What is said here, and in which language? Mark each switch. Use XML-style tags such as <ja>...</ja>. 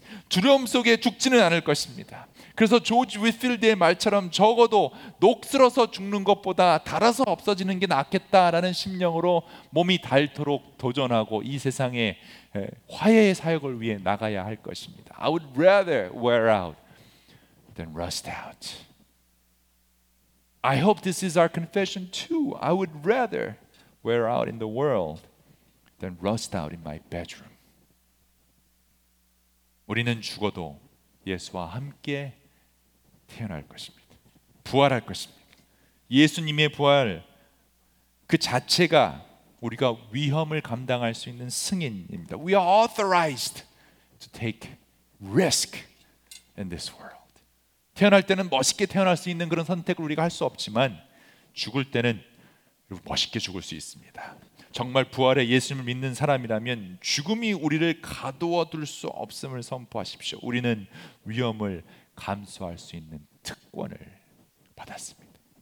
<ko>두려움 속에 죽지는 않을 것입니다. 그래서 조지 위필드의 말처럼 적어도 녹슬어서 죽는 것보다 달아서 없어지는 게 낫겠다라는 심령으로 몸이 닳도록 도전하고 이 세상에 화해의 사역을 위해 나가야 할 것입니다.</ko> <en>I would rather wear out than rust out. I hope this is our confession too. I would rather wear out in the world than rust out in my bedroom.</en> <ko>우리는 죽어도 예수와 함께 태어날 것입니다. 부활할 것입니다. 예수님의 부활 그 자체가 우리가 위험을 감당할 수 있는 승인입니다.</ko> <en>We are authorized to take risk in this world.</en> <ko>태어날 때는 멋있게 태어날 수 있는 그런 선택을 우리가 할 수 없지만 죽을 때는 멋있게 죽을 수 있습니다. 정말 부활의 예수님을 믿는 사람이라면 죽음이 우리를 가두어둘 수 없음을 선포하십시오. 우리는 위험을 감수할 수 있는 특권을 받았습니다.</ko>